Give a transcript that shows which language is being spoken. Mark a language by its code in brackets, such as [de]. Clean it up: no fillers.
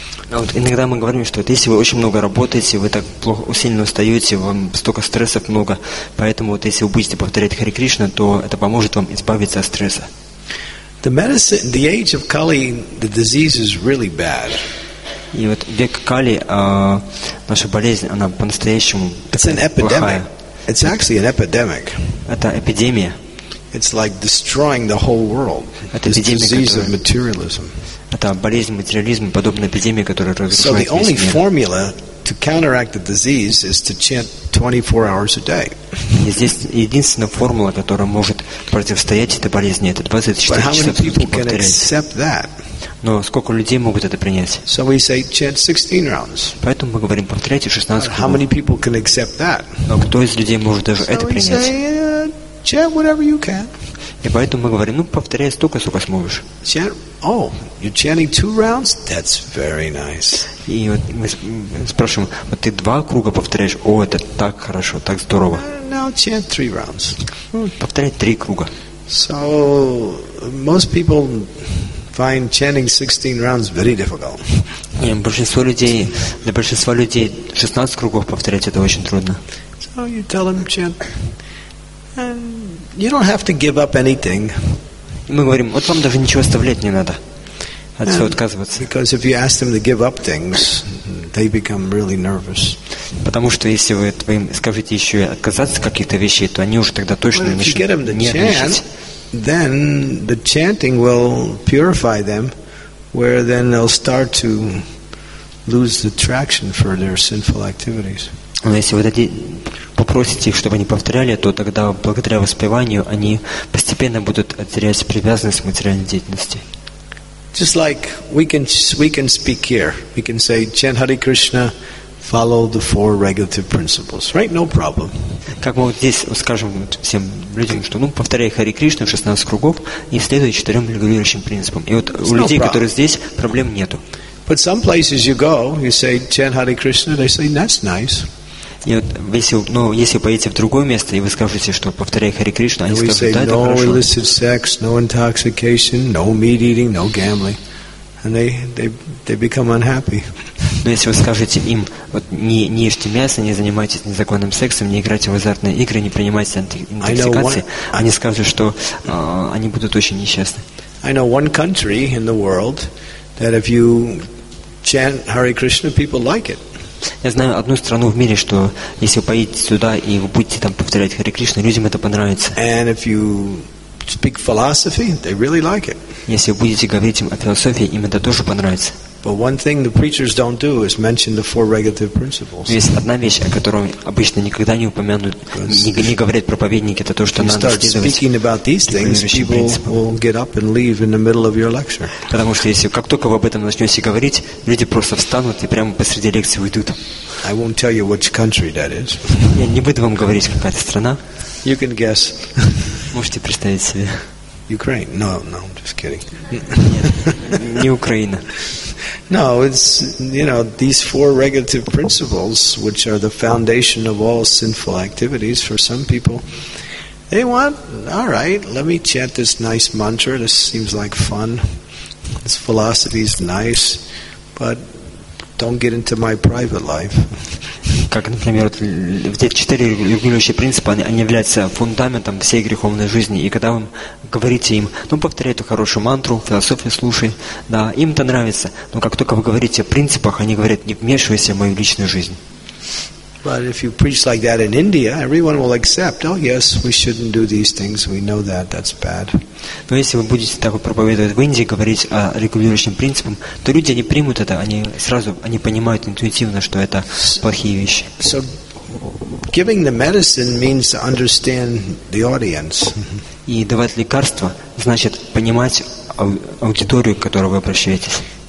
[ru] Вот иногда мы говорим, что вот если вы очень много работаете, вы так плохо, сильно устаете, вам столько стрессов много, поэтому вот если вы будете повторять Харе Кришна, то это поможет вам избавиться от стресса. [en] The medicine, the age of Kali, the disease is really bad. [ru] И вот век Кали, наша болезнь, она по-настоящему [en] It's an [ru] плохая. [en] It's actually an epidemic. [ru] Это эпидемия. [en] It's like destroying the whole world. It's the disease of materialism. [ru] Это болезнь материализма, подобная эпидемии, которая разрушает весь мир. [en] So the only formula to counteract the disease is to chant 24 hours a day. [ru] И здесь единственная формула, которая может противостоять этой болезни, это 24 часа в сутки повторять. [en] But how many people can accept that? [ru] Но сколько людей могут это принять? [en] So we say chant 16 rounds. [ru] Поэтому мы говорим про третью, шестнадцатую. [en] How many people can accept that? [ru] Но кто из людей может даже это принять? [en] Chant whatever you can. [ru] И поэтому мы говорим, ну повторяй столько, сколько сможешь. [en] Chant. Oh, you're chanting two rounds? That's very nice. [ru] И вот мы спрашиваем, вот ты два круга повторяешь? О, это так хорошо, так здорово. [en] Now chant three rounds. [ru] Повторяй три круга. [en] So most people find chanting 16 rounds very difficult. [ru] Для большинства людей 16 кругов повторять это очень трудно. [en] So you tell them, chant. You don't have to give up anything. [ru] Мы говорим, вот вам даже ничего оставлять не надо. От всего отказываться. [en] Because if you ask them to give up things, they become really nervous. [ru] Потому что если вы им скажете еще и отказаться от каких-то вещей, то они уже тогда точно начнут нервничать. [en] Then the chanting will purify them, where then they'll start to lose the traction for their sinful activities. [ru] Но если вы попросите их, чтобы они повторяли, то тогда благодаря воспеванию они постепенно будут терять привязанность к материальной деятельности. [en] Just like we can speak here, we can say chant Hare Krishna, follow the four regulative principles, right? No problem. [ru] Как мы вот здесь скажем всем людям, что ну повторяй Хари Кришну 16 кругов и следуй четырем регулирующим принципам. И вот у людей, которые здесь, проблем нету. [en] But some places you go, you say chant Hare Krishna, they say that's nice. [ru] И вот если поедете в другое место и вы скажете, что повторяй Хари Кришну, они скажут, да, это хорошо. [en] No illicit sex, no intoxication, no meat eating, no gambling, and they become unhappy. [ru] Но если вы скажете им, вот не ешьте мясо, не занимайтесь незаконным сексом, не играйте в азартные игры, не принимайте интоксикации, они скажут, что они будут очень несчастны. [en] I know one country in the world that if you chant Hare Krishna, people like it. [ru] Я знаю одну страну в мире, что если вы поедете сюда и вы будете там повторять Хари Кришну, людям это понравится. [en] And if you speak philosophy, they really like it. [ru] Если вы будете говорить им о философии, им это тоже понравится. [en] But one thing the preachers don't do is mention the four regulative principles. [ru] Есть одна вещь, о которой обычно никогда не упомянут, не говорят проповедники, это то, что надо следовать. [en] If you start speaking about these things, people will get up and leave in the middle of your lecture. [ru] Потому что если как только вы об этом начнете говорить, люди просто встанут и прямо посреди лекции уйдут. [en] I won't tell you which country that is. [ru] Я не буду вам говорить, какая это страна. [en] You can guess. [ru] Можете представить себе. [en] Ukraine? No, I'm just kidding. [ru] Не Украина. [en] No, it's, you know, these four regulative principles, which are the foundation of all sinful activities for some people, they want, all right, let me chant this nice mantra, this seems like fun, this philosophy is nice, but don't get into my private life. [ru] Как, например, эти четыре регулирующие принципа, они являются фундаментом всей греховной жизни. И когда вы говорите им, ну, повторяй эту хорошую мантру, философию слушай, да, им это нравится. Но как только вы говорите о принципах, они говорят, не вмешивайся в мою личную жизнь. Но если вы будете так проповедовать в Индии, говорить о регулирующем принципе, то люди не примут это, они понимают интуитивно, что это плохие вещи. [en] So, giving the medicine means to understand the audience. [ru] И давать лекарство значит понимать аудиторию, к которой вы обращаетесь.